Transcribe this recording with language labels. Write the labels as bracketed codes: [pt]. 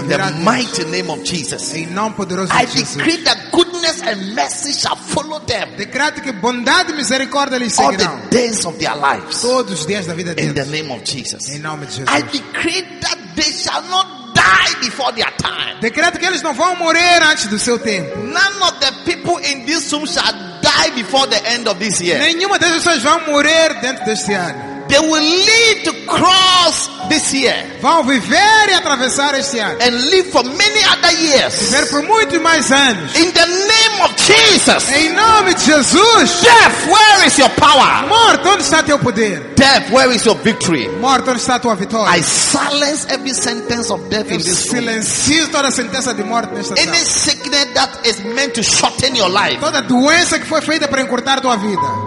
[en] virá. In the mighty name of Jesus. [pt] Em nome poderoso de Jesus. [en] I decree that goodness and mercy shall follow them. [pt] Decreto que bondade e misericórdia lhes seguirão. [en] All the days of their lives. [pt] Todos os dias da vida deles. [en] In the name of Jesus. [pt] Em nome de Jesus. [en] I decree that they shall not die before their time. [pt] Decreto que eles não vão morrer antes do seu tempo. [en] None of the people in this room shall die before the end of this year. [pt] Nenhuma das pessoas vão morrer dentro deste ano. [en] They will live to cross this year. [pt] Vão viver e atravessar este ano. [en] And live for many other years. [pt] Viver por muito mais anos. [en] In the name of Jesus. [pt] Em nome de Jesus. [en] Death, where is your power? [pt] Morte, onde está teu poder? [en] Death, where is your victory? [pt] Morte, onde está tua vitória? [en] I silence every sentence of death in this room. [pt] Silencio toda sentença de morte nesta sala. [en] Any sickness that is meant to shorten your life. [pt] Toda doença que foi feita para encurtar tua vida.